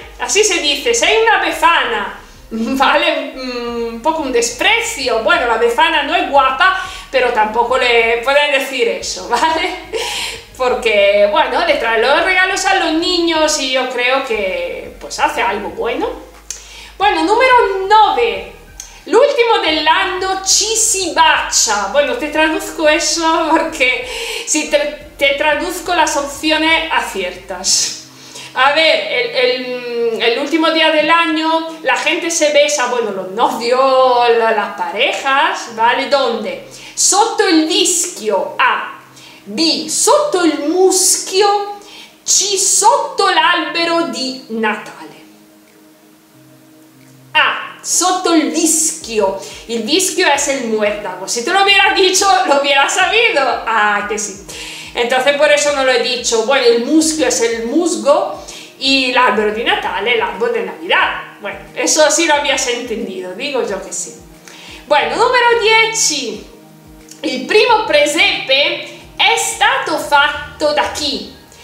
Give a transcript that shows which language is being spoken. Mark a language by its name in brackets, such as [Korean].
[Spanish] Así se dice, [Italian] sei una befana, [Spanish] ¿vale? Un poco un desprecio. Bueno, la befana no es guapa, pero tampoco le pueden decir eso, ¿vale? Porque, bueno, le trae los regalos a los niños y yo creo que, pues, hace algo bueno, Bueno, numero 9. [Italian] L'ultimo dell'anno ci si bacia. [Spanish] Bueno, te traduzco eso porque si te traduzco las opciones aciertas. A ver, el último día del año la gente se besa, bueno, los novios, las parejas, ¿vale? ¿Dónde? [Italian] Sotto il vischio, A. B. Sotto il muschio, C. Sotto l'albero di Natale. A. Sotto il vischio. Il vischio [Spanish] es el muérdago. Si te lo hubiera dicho, lo hubiera sabido. Ah, que sí. Entonces por eso no lo he dicho. Bueno, el muschio es el musgo y el árbol de Natal, el árbol de Navidad. Bueno, eso sí lo habías entendido, digo yo que sí. Bueno, número 10. [Italian] El primo presepe es stato fatto da chi?